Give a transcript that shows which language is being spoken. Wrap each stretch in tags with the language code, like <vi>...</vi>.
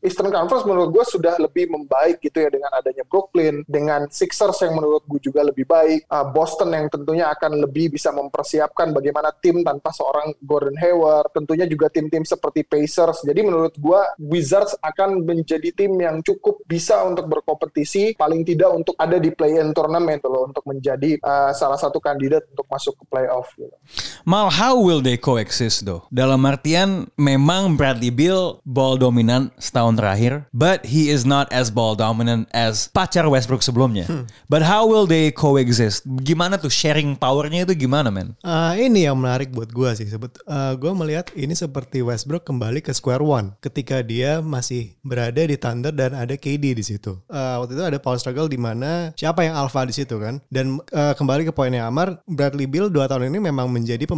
<id>Eastern Conference menurut gue sudah lebih membaik gitu ya, dengan adanya Brooklyn, dengan Sixers yang menurut gue juga lebih baik, Boston yang tentunya akan lebih bisa mempersiapkan bagaimana tim tanpa seorang Gordon Hayward, tentunya juga tim-tim seperti Pacers. Jadi menurut gue Wizards akan menjadi tim yang cukup bisa untuk berkompetisi, paling tidak untuk ada di play-in tournament loh, untuk menjadi salah satu kandidat untuk masuk ke playoff.</id> <en>Mal, how will they coexist though?</en> <id>Dalam artian, memang Bradley Beal ball dominant setahun terakhir,</id> <en>but he is not as ball dominant as</en> <id>pacar Westbrook sebelumnya.</id> <en>But how will they coexist?</en> <id>Gimana tuh sharing powernya itu gimana, man? Ini yang menarik buat gue sih. Gue melihat ini seperti Westbrook kembali ke square one ketika dia masih berada di Thunder dan ada KD di situ. Waktu itu ada power struggle di mana siapa yang alpha di situ kan? Dan kembali ke poinnya Amar, Bradley Beal 2 tahun ini memang menjadi pemain</id>